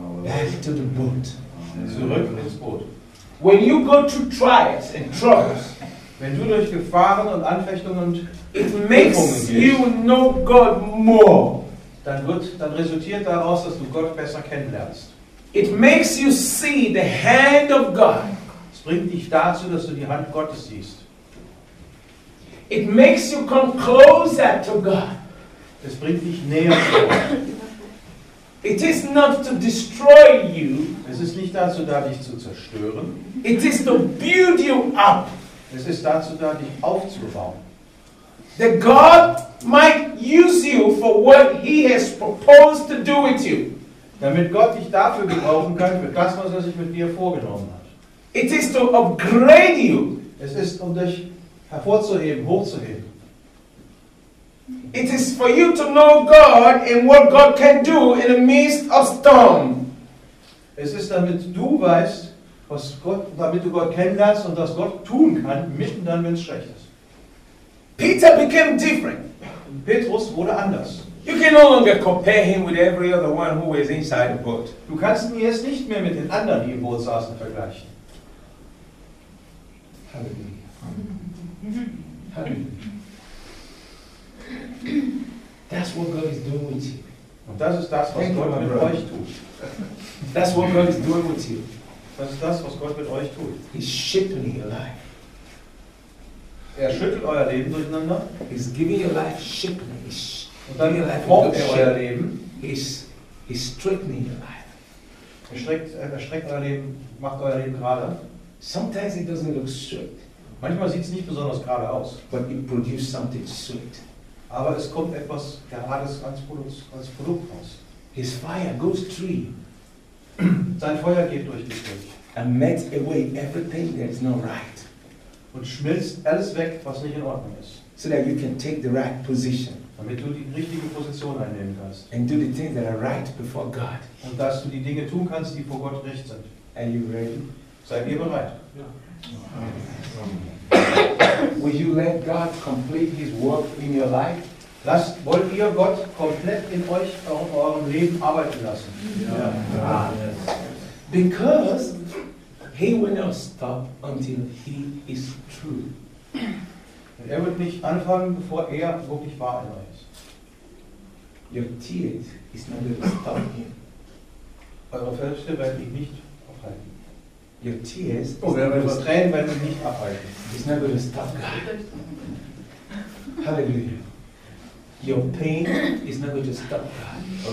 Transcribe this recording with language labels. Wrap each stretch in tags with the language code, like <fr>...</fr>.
<en>Back to the boat.</en> <de>Zurück ins Boot.</de> <en>When you go through trials and troubles,</en> <de>wenn du durch Gefahren und Anfechtungen und Prüfungen gehst,</de> <en>you know God more.</en> <de>Dann resultiert daraus, dass du Gott besser kennenlernst.</de> <en>It makes you see the hand of God.</en> <de>Es bringt dich dazu, dass du die Hand Gottes siehst.</de> <en>It makes you come closer to God.</en> <de>Es bringt dich näher zu Gott.</de> <en>It is not to destroy you.</en> <de>Es ist nicht dazu da, dich zu zerstören.</de> <en>It is to build you up.</en> <de>Es ist dazu da, dich aufzubauen.</de> <en>That God might use you for what He has proposed to do with you.</en> <de>Damit Gott dich dafür gebrauchen kann, für das, was er sich mit dir vorgenommen hat.</de> <en>It is to upgrade you.</en> <de>Es ist, um dich hervorzuheben, hochzuheben.</de> <en>It is for you to know God and what God can do in the midst of storm.</en> <de>Es ist, damit du weißt, was Gott, damit du Gott kennenlernst und was Gott tun kann, mitten dann, wenn es schlecht ist.</de> <en>Peter became different.</en> <de>Und Petrus wurde anders.</de> <en>You can no longer compare him with every other one who was inside the boat.</en> <de>Du kannst ihn jetzt nicht mehr mit den anderen, die im Boot saßen, vergleichen.</de> <en>Halleluja. That's what God is doing with you.</en> <de>Und das ist das, was Gott mit euch tut.</de> <en>That's what God is doing with you.</en> <de>Das ist das, was Gott mit euch tut.</de> <en>He's shifting your life.</en> <de>Er schüttelt euer Leben durcheinander.</de> <en>He's giving your life shifting.</en> <de>Und dann formt er euer Leben.</de> <en>He's straightening your life.</en> <de>Er streckt euer Leben, macht euer Leben gerade.</de> <en>Sometimes it doesn't look straight.</en> <de>Manchmal sieht es nicht besonders gerade aus.</de> <en>But it produces something sweet.</en> <de>Aber es kommt etwas Gerades als Produkt raus.</de> <en>His fire goes through.</en> <de>Sein Feuer geht durch dich durch.</de> <en>And melts away everything that is not right.</en> <de>Und schmilzt alles weg, was nicht in Ordnung ist.</de> <en>So that you can take the right position.</en> <de>Damit du die richtige Position einnehmen kannst.</de> <en>And do the things that are right before God.</en> <de>Und dass du die Dinge tun kannst, die vor Gott recht sind.</de> <en>Are you ready?</en> <de>Seid ihr bereit? Ja.</de> <en>Will you let God complete His work in your life?</en> <de>Lasst, wollt ihr Gott komplett in euch, in eurem Leben arbeiten lassen?</de> <en>Yeah. Yeah. Ah, yes. Because He will not stop until He is true.</en> <de>Er wird nicht anfangen, bevor er wirklich wahr in euch ist.</de> <en>Your tears is not going to stop him.</en> <de>Eure Verluste werden ihn nicht aufhalten.</de> <en>Your tears,</en> <de>eure Tränen werden ihn nicht abhalten.</de> <en>It's not going to stop God. Halleluja. Your pain is not going to stop God.</en>